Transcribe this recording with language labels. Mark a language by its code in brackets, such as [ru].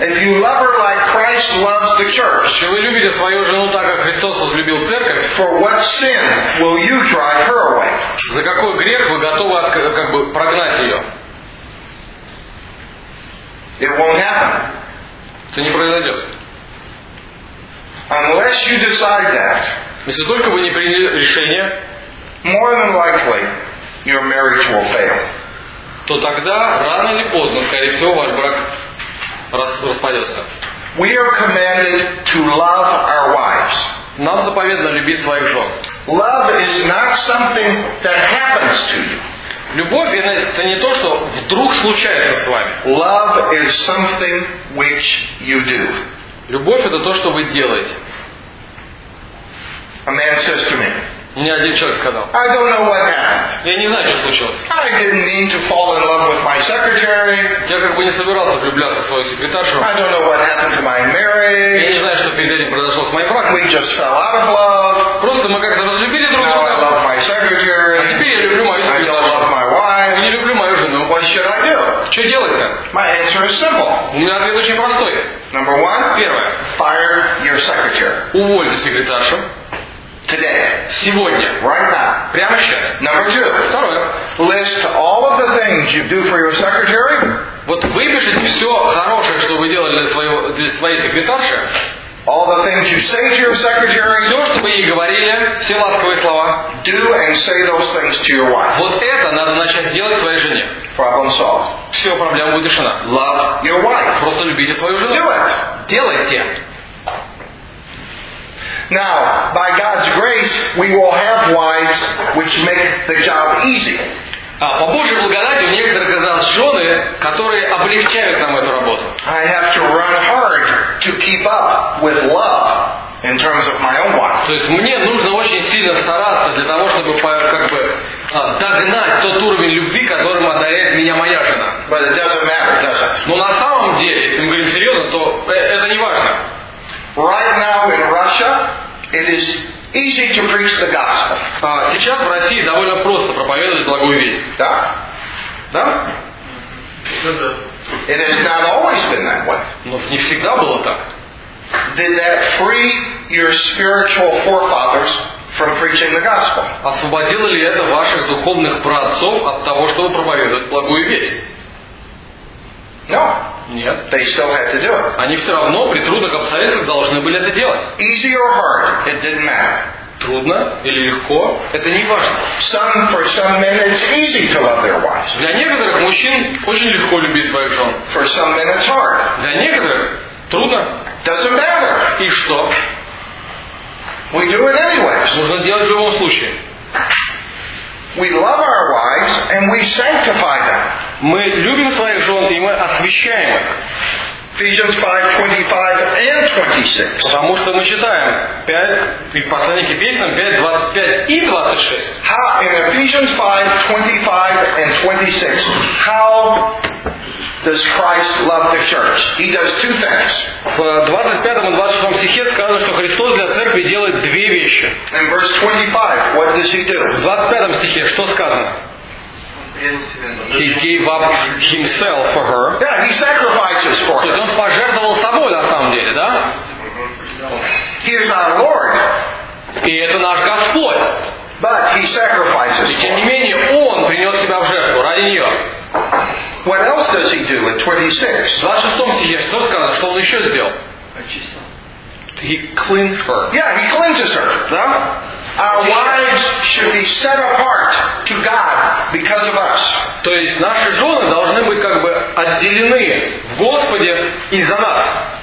[en] if you love her like Christ loves the church, [ru] если вы любите свою жену так, как Христос возлюбил церковь, [en] for what sin will you drive her away? [ru] За какой грех вы готовы как бы прогнать ее? [en] It won't happen. [ru] Это не произойдет. [en] Unless you decide that, [ru] если только вы не приняли решение, [en] more than likely, your marriage will fail. [ru] То тогда, рано или поздно, скорее всего, ваш брак распадется. [en] We are commanded to love our wives. [ru] Нам заповедано любить своих жен. [en] Love is not something that happens to you. [ru] Любовь – это не то, что вдруг случается с вами. [en] Love is something which you do. [ru] Любовь – это то, что вы делаете. [en] A man says to me. [ru] Мне один человек сказал. [en] I don't know what happened. [ru] Я не знаю, что случилось. [en] I didn't mean to fall in love with my secretary. [ru] Я как бы не собирался влюбляться в свою секретаршу. [en] I don't know what happened to my marriage. [ru] Я не знаю, что перед этим произошло с моим браком. [en] We just fell out of love. [ru] Просто мы как-то разлюбили друг друга. [en] Now I love my secretary. [ru] А теперь я люблю мою секретаршу. [en] I don't love my wife. [ru] Я не люблю мою жену. [en] What should I do? [ru] Что делать-то? [en] My answer is simple. [ru] У меня ответ очень простой. [en] Number one. [ru] Первое. [en] Fire your secretary. [ru] Уволь секретаршу. [en] Today. [ru] Сегодня. [en] Right now. [ru] Прямо сейчас. [en] Number two. [ru] Второе. [en] List all of the things you do for your secretary. [ru] Вот выпишите все хорошее, что вы делали для своей секретарши. [en] All the things you say to your secretary. [ru] Все, что вы ей говорили, все ласковые слова. [en] Do and say those things to your wife. [ru] Вот это надо начать делать своей жене. [en] Problem solved. [ru] Все, проблема будет решена. [en] Love your wife. [ru] Просто любите свою жену. [en] Do it. [ru] Делайте. [en] Now, by God's grace, we will have wives which make the job easy. [ru] По Божьей благодати у некоторых из нас жены, которые облегчают нам эту работу. [en] I have to run hard to keep up with love in terms of my own wife. [ru] То есть мне нужно очень сильно стараться для того, чтобы как бы догнать тот уровень любви, которым одаряет меня моя жена. [en] But it doesn't matter, does it? [ru] Но на самом деле, если мы говорим серьезно, то это не важно. [en] Right now in Russia, it is easy to preach the gospel. [ru] Сейчас в России довольно просто проповедовать благую весть. Да. Да? [en] It has not always been that way. [ru] Но не всегда было так. [en] Did that free your spiritual forefathers from preaching the gospel? [ru] Освободило ли это ваших духовных праотцов от того, чтобы проповедовать благую весть? [en] No. [ru] Нет. [en] They still had to do it. [ru] Они все равно при трудных обстоятельствах должны были это делать. [en] Easy or hard, it didn't matter. [ru] Трудно или легко, это не важно. [en] Some, for some men, it's easy to love their wives. [ru] Для некоторых мужчин очень легко любить своих жен. [en] For some men, it's hard. [ru] Для некоторых трудно. [en] Doesn't matter. [ru] И что? [en] We do it anyways. [ru] Нужно делать в любом случае. [en] We love our wives and we sanctify them. [ru] Мы любим своих жен и мы освящаем их. [en] Ephesians 5:25 and 26. [ru] Потому что мы читаем 5 и послание к Ефесянам 5:25 [en] and 26. How in Ephesians 5:25 and 26? How does Christ love the church? He does two things. [ru] В 25 и 26 стихе сказано, что Христос для церкви делает две вещи. [en] In verse 25, what does he do? [ru] В 25 стихе что сказано? [en] He gave up himself for her. Yeah, he sacrifices for her. [ru] То есть он пожертвовал собой на самом деле, да? [en] He is our Lord. [ru] И это наш Господь. [en] But he sacrifices. [ru] И тем не менее он принес себя в жертву ради нее. [en] What else does he do in 26? [ru] В 26 стихе что сказано, что он еще сделал? [en] He cleansed her. Yeah, he cleanses her. [ru] Да? [en] Our wives should be set apart to God because of us. [ru] То есть наши жены должны быть как бы отделены Господи из-за нас.